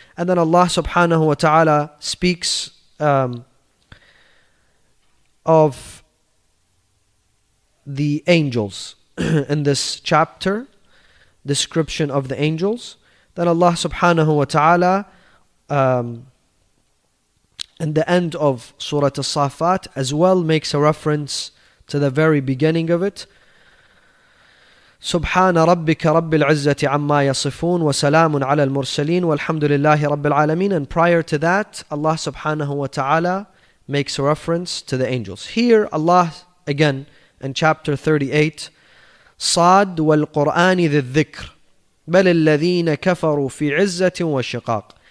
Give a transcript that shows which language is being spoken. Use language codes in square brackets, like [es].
[en] And then Allah subhanahu wa ta'ala speaks of the angels in this chapter, description of the angels. Then Allah subhanahu wa ta'ala, in the end of Surah As-Saffat, as well makes a reference to the very beginning of it. [ar] سبحان ربك رب العزة عما يصفون وسلام على المرسلين والحمد لله رب العالمين. [en] And prior to that, Allah subhanahu wa ta'ala makes a reference to the angels. Here Allah, again, in chapter 38, [ar] صاد والقرآن ذي الذكر بل الذين كفروا في عزة وشقاق.